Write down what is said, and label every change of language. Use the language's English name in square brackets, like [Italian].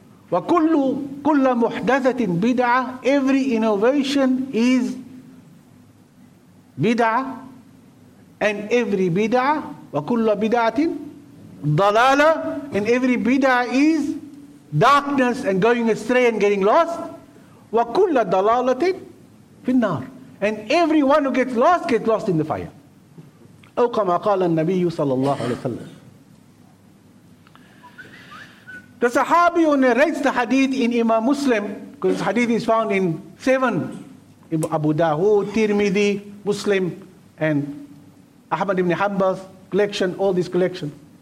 [Arabic] وَكُلَّ مُحْدَثَةٍ بِدْعَةٍ. [English] Every innovation is bid'ah, and every bid'ah, [Arabic] وَكُلَّ بِدْعَةٍ ضَلَالَةٍ. [English] And every bid'ah is darkness and going astray and getting lost. [Arabic] وَكُلَّ ضَلَالَةٍ فِي النَّارِ. [English] And everyone who gets lost in the fire. [Arabic] أو كما قال النبي صلى الله عليه وسلم. [English] The Sahabi who narrates the hadith in Imam Muslim, because the hadith is found in seven, Abu Dawood, Tirmidhi, Muslim, and Ahmad ibn Hanbal's collection, all this collection.